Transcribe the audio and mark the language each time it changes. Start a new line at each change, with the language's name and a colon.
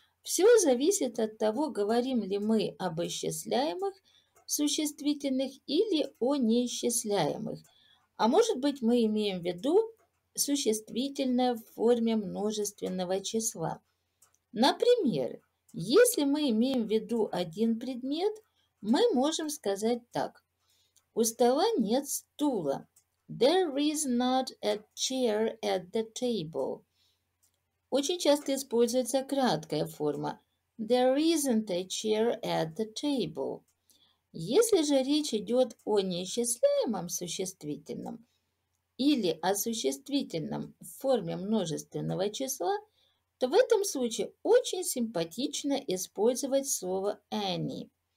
Russian: Все зависит от того, говорим ли мы об исчисляемых существительных или о неисчисляемых. А может быть, мы имеем в виду существительное в форме множественного числа. Например, если мы имеем в виду один предмет, мы можем сказать так. У стола нет стула.
English: There is not a chair at the table.
Russian: Очень часто используется краткая форма.
English: There isn't a chair at the table.
Russian: Если же речь идет о неисчисляемом существительном или о существительном в форме множественного числа, то в этом случае очень симпатично использовать слово any.